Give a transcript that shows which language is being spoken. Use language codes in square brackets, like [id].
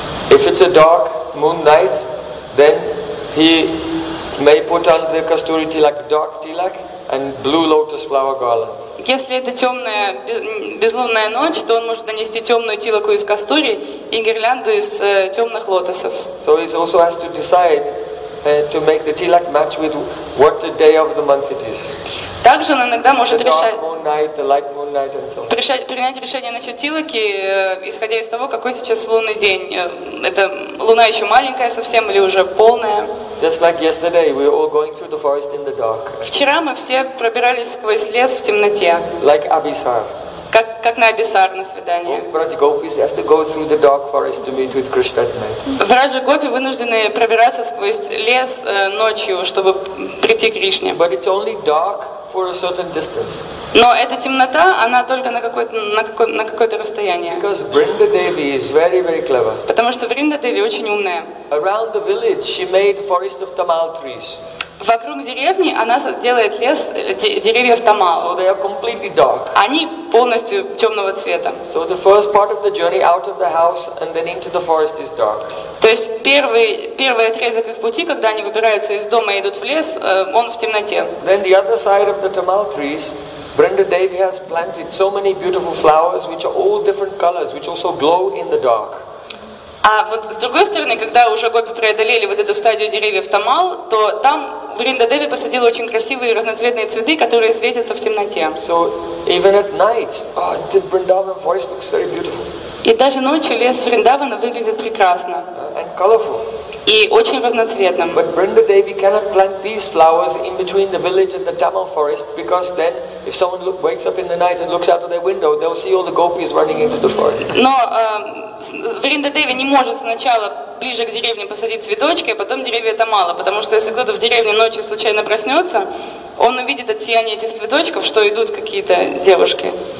[en] If it's a dark moon night, then he may put on the kasturi tilak, dark tilak, and blue lotus flower garland. [ru] Если это темная безлунная ночь, то он может нанести темную тилаку из кастури и гирлянду из темных лотосов. [en] So he also has to decide to make the tilak match with what the day of the month it is. [ru] Также он иногда может решать принять решение насчет тилаки, исходя из того, какой сейчас лунный день. Это луна еще маленькая совсем или уже полная? [en] Just like yesterday, we were all going through the forest in the dark. [ru] Вчера мы все пробирались сквозь лес в темноте. [en] Like Abhisar. [ru] Как на Абисар, на свидание. [en] Gopis have to go through the dark forest to meet with Krishna tonight. [ru] Враджа гопи вынуждены пробираться сквозь лес ночью, чтобы прийти к Кришне. [en] But it's only dark for a certain distance. [ru] Но эта темнота, она только на какое-то расстояние. [en] Because Vrinda Devi is very, very clever. [ru] Потому что Вринда Деви очень умная. [en] Around the village she made forest of tamal trees. [ru] Вокруг деревни она делает лес деревьев тамал. [en] So they are completely dark. [ru] Они полностью темного цвета. [en] So the first part of the journey out of the house and then into the forest is dark. [ru] То есть первый отрезок их пути, когда они выбираются из дома и идут в лес, он в темноте. [en] Then the other side of the tamal trees, Vrinda Devi has planted so many beautiful flowers, which are all different colors, which also glow in the dark. [ru] А вот с другой стороны, когда уже гопи преодолели вот эту стадию деревьев тамал, то там Вринда Деви посадила очень красивые разноцветные цветы, которые светятся в темноте. [en] So even at night, the Vrindavan forest looks very beautiful. [ru] И даже ночью лес Вриндавана выглядит прекрасно. [en] And colorful. [ru] И очень разноцветным. [en] But Vrinda Devi cannot plant these flowers in between the village and the tamal forest, because then if someone wakes up in the night and looks out of their window, they'll see all the gopis running into the forest. [ru] Но Вринда Деви не может сначала ближе к деревне посадить цветочки, а потом деревья тамала, потому что если кто-то в деревне ночью случайно проснется, он увидит от сияния этих цветочков, что идут какие-то девушки.